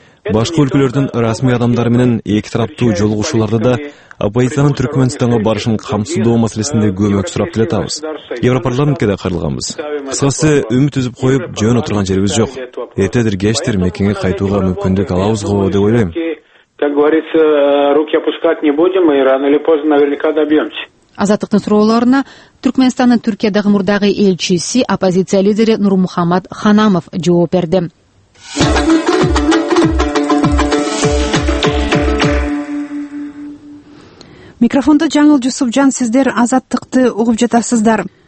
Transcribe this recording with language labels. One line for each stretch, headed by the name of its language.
Kyrgyz: Башка өлкөлөрдүн расмий адамдары менен эки тараптуу жолугушууларда да оппозициянын Түркмөнстанга барышын камсыздоо маселесинде көмөк сурап келатабыз. Европарламентке да кайрылганбыз. Кыскасы, үмүт үзүп коюп жөн отурган жерибиз жок. Эртедир кечтир мекенге кайтууга мүмкүндүк алабыз го деп ойлойм.
Russian: Как говорится, руки опускать не будем, и рано или поздно наверняка добьемся.
Kyrgyz: Азаттыктын суроолоруна Түркмөнстандын Түркиядагы мурдагы элчиси, оппозиция лидери Нурмухамат Ханамов жооп берди. Микрофондо Жаңыл Жусупжан, сиздер азаттыкты угуп жатасыздар.